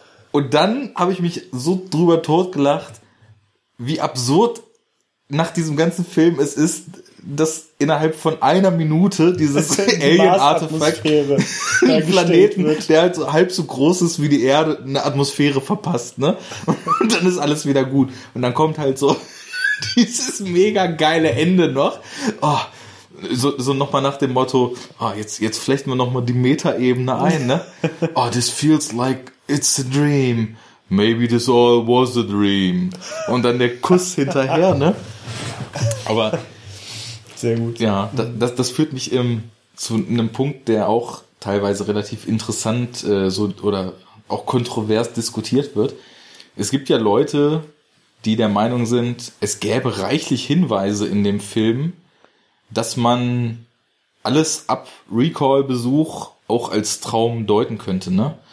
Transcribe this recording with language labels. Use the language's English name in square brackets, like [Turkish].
[German] Und dann habe ich mich so drüber totgelacht, wie absurd nach diesem ganzen Film es ist, dass innerhalb von einer Minute dieses Alien-Artefakt einen Planeten, der halt so halb so groß ist wie die Erde, eine Atmosphäre verpasst, ne? Und dann ist alles wieder gut. Und dann kommt halt so dieses mega geile Ende noch. Oh, so nochmal nach dem Motto, jetzt flechten wir nochmal die Metaebene ein, ne? [English] Oh, this feels like it's a dream. Maybe this all was a dream. [German] Und dann der Kuss hinterher, ne? Aber sehr gut. Ja, das führt mich zu einem Punkt, der auch teilweise relativ interessant so oder auch kontrovers diskutiert wird. Es gibt ja Leute, die der Meinung sind, es gäbe reichlich Hinweise in dem Film, dass man alles ab Recall-Besuch auch als Traum deuten könnte, ne?